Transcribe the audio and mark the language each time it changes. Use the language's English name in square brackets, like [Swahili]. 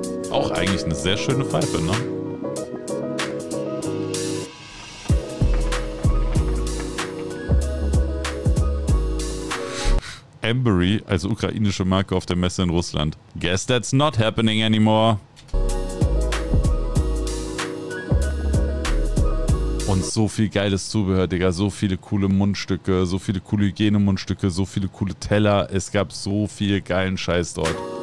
[German] Auch eigentlich eine sehr schöne Pfeife, ne? Embury als ukrainische Marke auf der Messe in Russland. [English] Guess that's not happening anymore. [German] Und so viel geiles Zubehör, Digga. So viele coole Mundstücke, so viele coole Hygienemundstücke, so viele coole Teller. Es gab so viel geilen Scheiß dort.